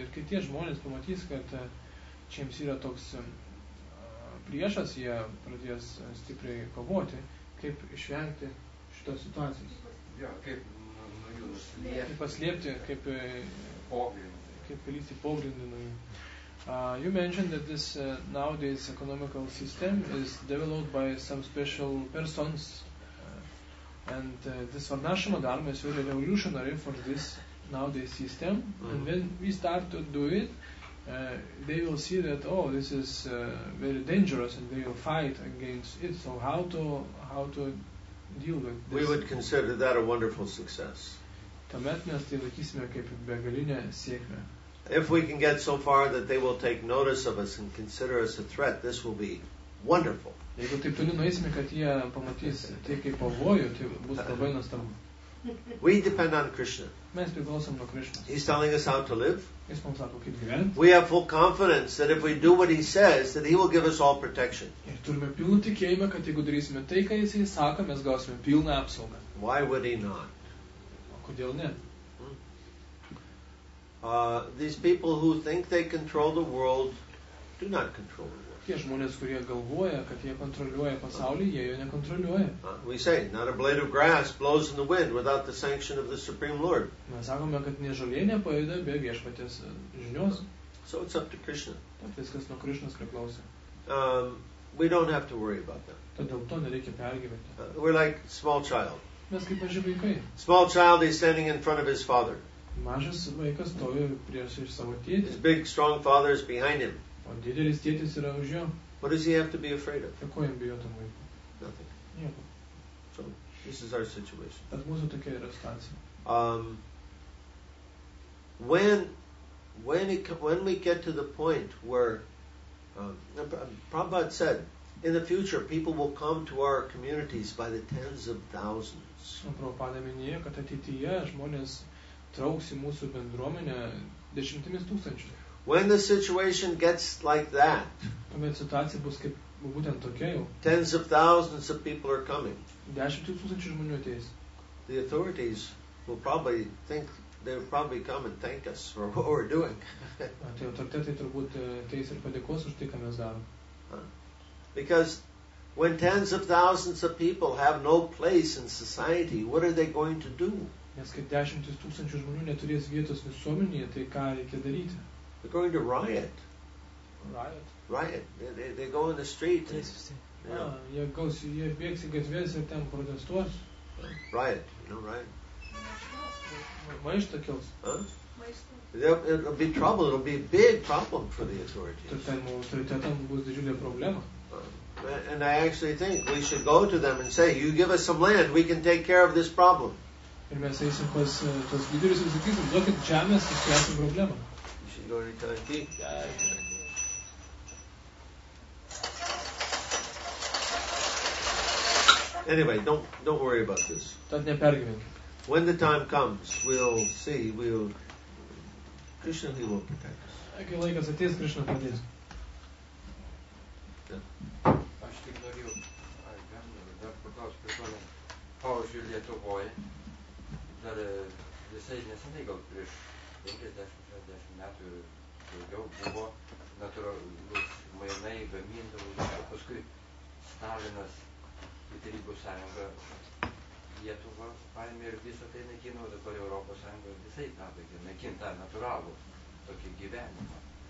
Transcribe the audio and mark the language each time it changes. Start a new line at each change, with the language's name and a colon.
Lithuanian: Ir kai tie žmonės pamatys, kad čia jiems yra toks priešas, jie pradės stipriai kovoti, kaip išvengti šitos situacijos. Kaip kaip paslėpti, kaip kaip palysti pogrindį.
English: You mentioned that this nowadays economical system is developed by some special persons, and this Varnashrama Dharma is very revolutionary for this nowadays system. Mm-hmm. And when we start to do it, they will see that, oh, this is very dangerous, and they will fight against it. So how to deal with this? We would consider that a wonderful success.
Lithuanian: Tuomet mes tai laikysime kaip begalinę sėkmę.
English: If we can get so far that they will take notice of us and consider us a threat, this will be wonderful.
Lithuanian: Jeigu taip toli nueisime, kad jie pamatys tai kaip pavojų, tai bus labai nuostabu.
English: We depend on Krishna.
Lithuanian: Mes priklausom nuo Krishnos.
English: He's telling us how to live.
Lithuanian: Jis mums sako, kaip gyventi.
English: We have full confidence that if we do what he says, that he will give us all protection.
Lithuanian: Ir turime pilną tikėjimą, kad jeigu darysime tai, ką jis sako, mes gausime pilną apsaugą.
English: Why would he not?
Lithuanian: Kodėl ne?
English: These people who think they control the world do not control the world.
Lithuanian: Tie žmonės, kurie galvoja, kad jie kontroliuoja pasaulį, jie jo nekontroliuoja.
English: We say, not a blade of grass blows in the wind without the sanction of the Supreme Lord.
Lithuanian: Mes sakome, kad nė žolė nepajuda be viešpaties žinios.
English: So it's up to Krishna.
Lithuanian: Tad viskas nuo Krishnos priklauso.
English: We don't have to worry about that.
Lithuanian: Tad dėl to nereikia pergyventi.
English: We're like small child.
Lithuanian: Mes kaip maži vaikai.
English: Small child is standing in front of his father.
Lithuanian: Mažas vaikas stovi prieš savo tėtį.
English: His big strong father is behind him.
Lithuanian: O didelis tėtis yra už jo.
English: What does he have to be afraid of?
Lithuanian: Ko jam bijoti tam vaikui?
English: Nothing.
Lithuanian: Nieko.
English: So this is our situation.
Lithuanian: Tad mūsų tokia yra situacija.
English: When we get to the point where Prabhupada said, in the future, people will come to our communities by the tens of thousands.
Lithuanian: Prabhupada minėjo, kad ateityje žmonės trauks į mūsų bendruomenę dešimtimis tūkstančių.
English: When the situation gets like that,
Lithuanian: tuomet situacija bus kaip būtent tokia jau.
English: Tens of thousands of people are coming.
Lithuanian: Dešimt tūkstančių žmonių ateis.
English: The authorities will probably think they'll probably come and thank us for what we're doing.
Lithuanian: Tai autoritetai turbūt ateis ir padėkos už tai, ką mes darom.
English: Because when tens of thousands of people have no place in society, what are they going to do?
Lithuanian: Nes kai dešimtis tūkstančių žmonių neturės vietos visuomenėje, tai ką reikia daryti?
English: They're going to riot. Riot? Riot. They go in the street.
Lithuanian: Jie gaus, jie bėgs į gatvės ir ten protestuos.
English: Riot. You know, riot.
Lithuanian: Maišta kils.
English: It'll be trouble. It'll be a big problem for the authorities.
Lithuanian: Tai ten autoritetam bus didžiulė problema.
English: And I actually think we should go to them and say, you give us some land, we can take care of this problem.
Lithuanian: Ir mes eisim pas tos lyderius ir sakysim, duokit žemės, kad čia esam problemą.
English: Anyway, don't worry about this.
Lithuanian: Tad nepergyvink.
English: When the time comes, we'll see, Krishna will protect us.
Lithuanian: Kai laikas ateis, Krishna padės. Aš tik norėjau dar paklausti, pavyzdžiui, Lietuvoje, dar visai nesenai, gal prieš 50-60 metų ir daugiau, buvo natūralus mainai gamindavo, paskui Stalinas į Tarybų sąjungą Lietuvą paėmė ir visą tai naikino, dabar Europos sąjunga visai tapo naikintą natūralų tokį gyvenimą.